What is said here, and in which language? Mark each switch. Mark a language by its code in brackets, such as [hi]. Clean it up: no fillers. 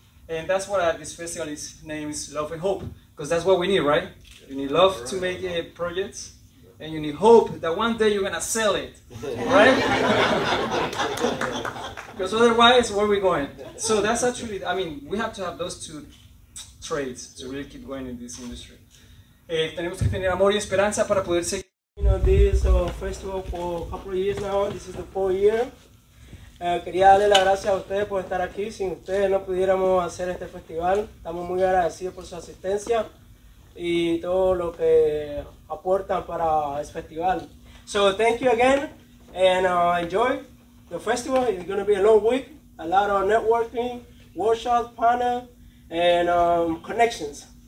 [en] And that's what this festival is named, is Love and Hope. Because that's what we need, right? You need love to make a project. And you need hope that one day you're going to sell it, right? Because otherwise, where are we going? So that's actually, I mean, we have to have those two traits to really keep going in this industry. [es] Tenemos que tener amor y esperanza para poder seguir. [en] You know, this festival for a couple of years now, this is the 4th year. [es] Quería darle las gracias a ustedes por estar aquí. Sin ustedes no pudiéramos hacer este festival. Estamos muy agradecidos por su asistencia y todo lo que aportan para este festival. [en] So thank you again, and enjoy the festival. It's going to be a long week, a lot of networking, workshops, panel, and connections.